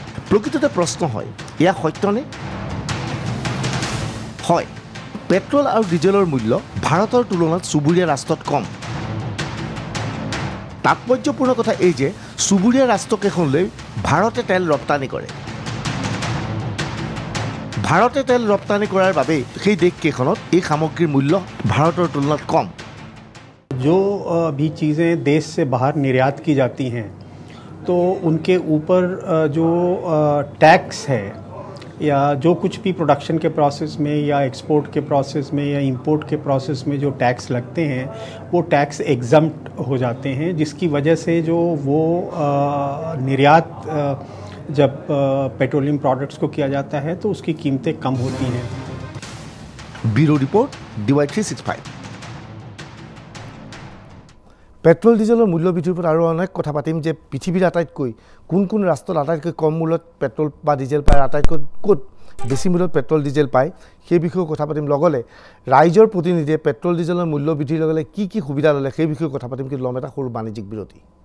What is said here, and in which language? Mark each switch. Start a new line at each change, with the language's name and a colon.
Assamese: প্ৰকৃততে প্ৰশ্ন হয় ইয়া সত্যনে হয় পেট্ৰল আৰু ডিজেলৰ মূল্য ভাৰতৰ তুলনাত সুবুৰীয়া ৰাষ্ট্ৰত কম তাৎপৰ্যপূৰ্ণ কথা এই যে সুবুৰীয়া ৰাষ্ট্ৰকেইখনলৈ ভাৰতে তেল ৰপ্তানি কৰে ভাৰতে তেল ৰপ্তানি কৰাৰ বাবে সেই দেশকেইখনত এই সামগ্ৰীৰ মূল্য ভাৰতৰ তুলনাত কম
Hindi: জো ভি চিজে দেশ সে বাহাৰ নিৰ্যাত কি জাতি হে তো উনকে ওপৰ জো টেক্স হে या जो कुछ भी प्रोडक्शन के प्रोसेस में या एक्सपोर्ट के प्रोसेस में या इंपोर्ट के प्रोसेस में जो टैक्स लगते हैं वो टैक्स एग्जम्प्ट हो जाते हैं जिसकी वजह से जो वो निर्यात जब पेट्रोलियम प्रोडक्ट्स को किया जाता है तो उसकी कीमतें कम होती हैं ब्यूरो रिपोर्ट डीवाई 365
Assamese: পেট্ৰল ডিজেলৰ মূল্য বৃদ্ধিৰ ওপৰত আৰু অনেক কথা পাতিম যে পৃথিৱীৰ আটাইতকৈ কোন কোন ৰাষ্ট্ৰত আটাইতকৈ কম মূল্যত পেট্ৰল বা ডিজেল পায় আটাইতকৈ ক'ত বেছি মূল্যত পেট্ৰল ডিজেল পায় সেই বিষয়েও কথা পাতিম লগতে ৰাইজৰ প্ৰতিনিধিয়ে পেট্ৰল ডিজেলৰ মূল্য বৃদ্ধিৰ লগে লগে কি কি সুবিধা ল'লে সেই বিষয়েও কথা পাতিম কিন্তু ল'ম এটা সৰু বাণিজ্যিক বিৰতি